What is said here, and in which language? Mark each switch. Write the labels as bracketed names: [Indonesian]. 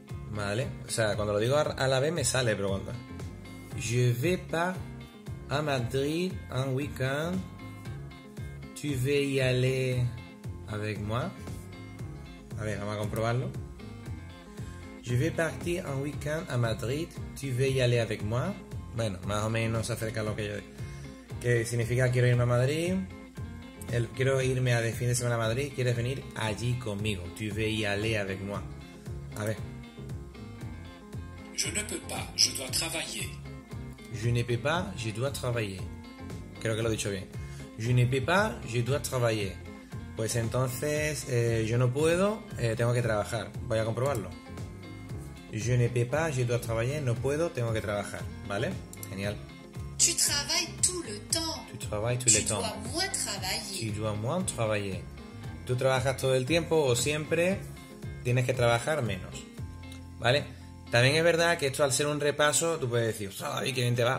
[Spanish] Vale, o sea, cuando lo digo a la vez me sale, pero cuando... [French] Je vais pas à Madrid un week-end. Tu veux y aller avec moi? [Spanish] A ver, vamos a comprobarlo. [French] Je vais partir un week-end à Madrid. Tu veux y aller avec moi? [Spanish] Bueno, más o menos acerca a lo que yo... Que significa quiero irme a Madrid. Quiero irme a de fin de semana a Madrid. ¿Quieres venir allí conmigo? [French] Tu veux y aller avec moi? [Spanish] A ver. [French] Je ne peux pas, je dois travailler. Je ne peux pas, je dois travailler. [Spanish] Creo que lo he dicho bien. [French] Je ne peux pas, je dois travailler. [Spanish] Pues entonces, yo no puedo, tengo que trabajar. Voy a comprobarlo. [French] Je ne peux pas, je dois travailler. [Spanish] No puedo, tengo que trabajar. ¿Vale? Genial. [French] Tu travailles tout le temps. Tu travailles tout tu le temps. Tu dois moins travailler. Tu dois moins travailler. [Spanish] Tú trabajas todo el tiempo o siempre tienes que trabajar menos. ¿Vale? También es verdad que esto al ser un repaso, tú puedes decir, ¡ay, qué bien te va!